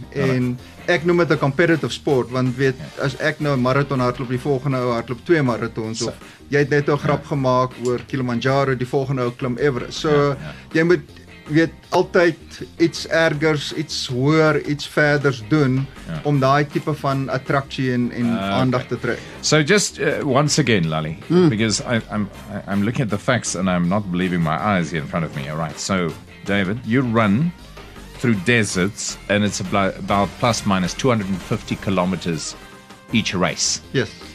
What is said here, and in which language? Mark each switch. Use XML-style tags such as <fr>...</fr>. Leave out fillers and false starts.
<af>En ek noem dit 'n competitive sport, want weet, as ek nou 'n marathon hardloop, die volgende ou hardloop 2 marathons, of jy het net 'n grap gemaak oor Kilimanjaro, die volgende ou klim Everest. So, jy moet, weet, altyd iets ergers, iets hoër, iets verders doen, om daai tipe van attractie en aandag te trek.</af> <en>So just once again, Lally, because I'm looking at the facts and I'm not believing my eyes here in front of me. All right, so David, you run through deserts and it's about plus minus 250 kilometers each race. Yes.</en>